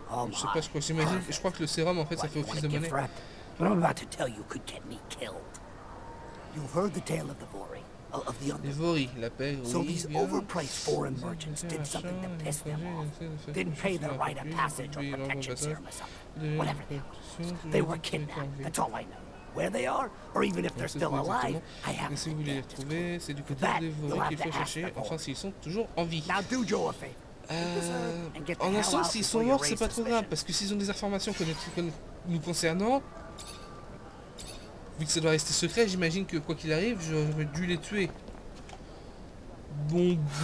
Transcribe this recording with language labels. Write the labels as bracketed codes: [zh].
[fr] Je sais pas, je crois que le sérum, en fait, ça fait office de monnaie. [en] What I'm about to tell you could get me killed. You've heard the tale of the Bori. of the underworld. [fr] La paix, oui, [en] so these overpriced foreign merchants did something to piss them off. Didn't pay their right of passage or protection serum or something. Whatever they were. They were kidnapped, that's all I know. Where they are, or even if they're still alive, I haven't seen them. For that, you'll have to ask them for it. [fr] Enfin, s'ils sont toujours en vie. [en] Now do Joe a favor. [fr] En un sens, s'ils sont morts, c'est pas trop grave, parce que s'ils ont des informations nous concernant, vu que ça doit rester secret, j'imagine que quoi qu'il arrive, j'aurais dû les tuer. Bon.